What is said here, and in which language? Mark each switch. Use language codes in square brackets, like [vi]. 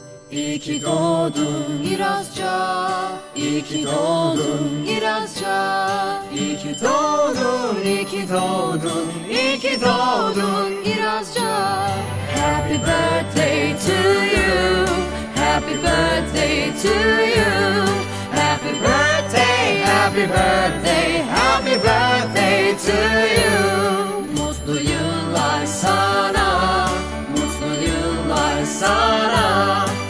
[tr] İyi ki doğdun İrazca, İyi ki doğdun İrazca, İyi ki doğdun, İyi ki doğdun, İyi ki doğdun İrazca. [en] Happy birthday to you, happy birthday to you, happy birthday, happy birthday, happy birthday to you. [tr] Mutlu yıllar sana, mutlu yıllar sana.